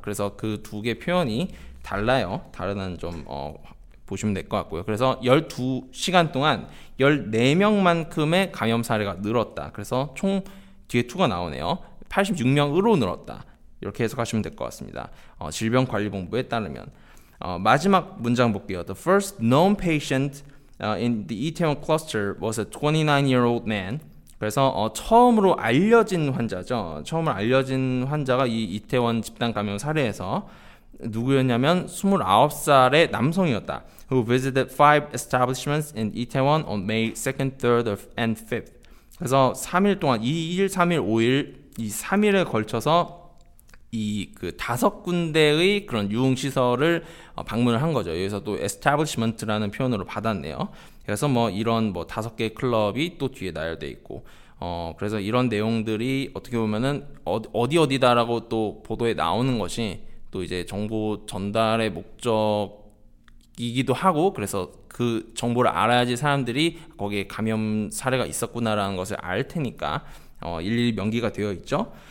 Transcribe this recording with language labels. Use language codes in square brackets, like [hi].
[ko] 그래서 그 두 개 표현이 달라요. 다르다는 점 보시면 될 것 같고요. 그래서 12시간 동안 14명만큼의 감염 사례가 늘었다. 그래서 총 뒤에 2가 나오네요. 86명으로 늘었다. 이렇게 해석하시면 될 것 같습니다. 질병관리본부에 따르면 마지막 문장 볼게요. [en] The first known patient in the Itaewon cluster was a 29-year-old man. [ko] 그래서 처음으로 알려진 환자죠. 처음으로 알려진 환자가 이 이태원 집단 감염 사례에서 누구였냐면 29살의 남성이었다. [en] Who visited five establishments in Itaewon on May 2nd, 3rd, and 5th. [ko] 그래서 3일 동안 2일, 3일, 5일 이 3일에 걸쳐서 이 그 다섯 군데의 그런 유흥시설을 방문을 한 거죠. 여기서 또 establishment라는 표현으로 받았네요. 그래서 뭐 이런 뭐 다섯 개 클럽이 또 뒤에 나열돼 있고 그래서 이런 내용들이 어떻게 보면은 어디 어디다라고 또 보도에 나오는 것이 또 이제 정보 전달의 목적이기도 하고 그래서 그 정보를 알아야지 사람들이 거기에 감염 사례가 있었구나라는 것을 알 테니까 일일이 명기가 되어 있죠.